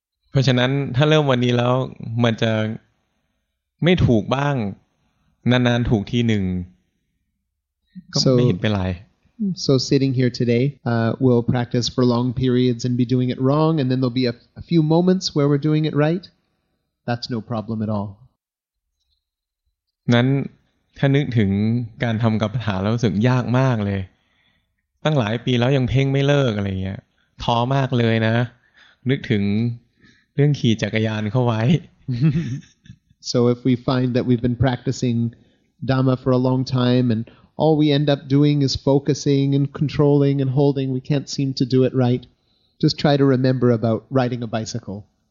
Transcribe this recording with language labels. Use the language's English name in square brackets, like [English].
[Thai] เพราะฉะนั้นถ้าเริ่มวันนี้แล้วมันจะไม่ถูกบ้างนานๆถูกทีหนึ่งก็ไม่เห็นเป็นไร [English] So sitting here today, we'll practice for long periods and be doing it wrong, and then there'll be a few moments where we're doing it right. That's no problem at all. [Thai] นั้นถ้านึกถึงการทำกรรมฐานแล้วรู้สึกยากมากเลยตั้งหลายปีแล้วยังเพ่งไม่เลิกอะไรเงี้ยท้อมากเลยนะนึกถึงเรื่องขี่จักรยานเข้าไว้ [English] So if we find that we've been practicing Dhamma for a long time andAll we end up doing is focusing and controlling and holding. We can't seem to do it right. Just try to remember about riding a bicycle.